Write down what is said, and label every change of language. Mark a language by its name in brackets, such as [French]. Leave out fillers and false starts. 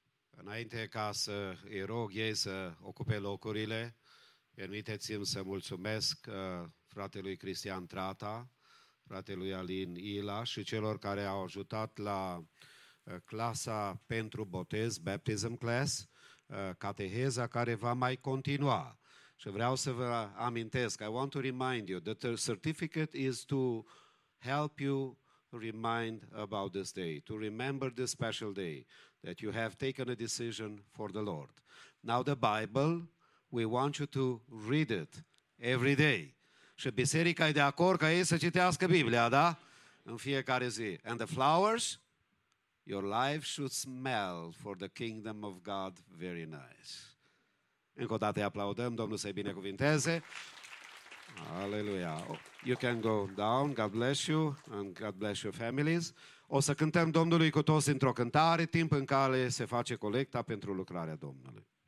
[Romanian] Înainte ca să îi rog ei să ocupe locurile, permiteți-mi să mulțumesc fratelui Cristian Trata, fratelui Alin Ila și celor care au ajutat la clasa pentru botez, [English] baptism class, [Romanian] cateheza care va mai continua. Și vreau să vă amintesc, [English] I want to remind you that the certificate is to help you remind about this day, to remember this special day that you have taken a decision for the Lord. Now the Bible, we want you to read it every day. [Romanian] Și biserica e de acord ca ei să citească Biblia, da? În fiecare zi. [English] And the flowers, your life should smell for the kingdom of God very nice. [Romanian] Încă o dată îi aplaudăm, Domnul să-i binecuvinteze. [English] Hallelujah. You can go down. God bless you and God bless your families. [Romanian] O să cântăm Domnului cu toți într-o cântare, timp în care se face colecta pentru lucrarea Domnului.